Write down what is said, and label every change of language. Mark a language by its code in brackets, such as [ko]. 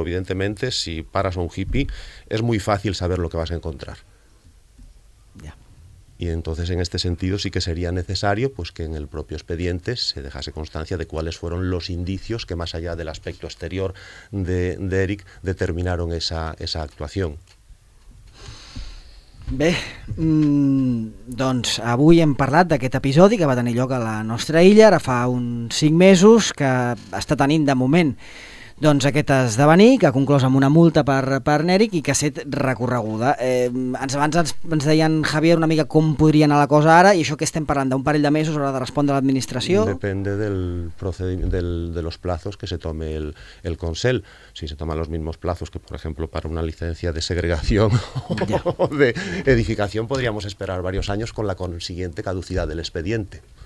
[es] Evidentemente, si paras a un hippie, es muy fácil saber lo que vas a encontrar. Y entonces, en este sentido, sí que sería necesario pues que en el propio expediente se dejase constancia de cuáles fueron los indicios que, más allá del aspecto exterior de Eric, determinaron esa actuación. [ca] Bé, doncs avui hem parlat d'aquest episodi que va tenir lloc a la nostra illa ara fa uns 5 mesos, que està tenint de moment doncs aquest esdevenir, que ha conclòs amb una multa per Nèric i que ha estat recorreguda. Abans ens deien, Javier, una mica com podria anar la cosa ara, i això que estem parlant d'un parell de mesos haurà de respondre a l'administració. Depèn del procediment, [es] de los plazos que se tome el Consell. Si se toman los mismos plazos que, por ejemplo, para una licencia de segregación o de edificación, podríamos esperar varios años con la consiguiente caducidad del expediente.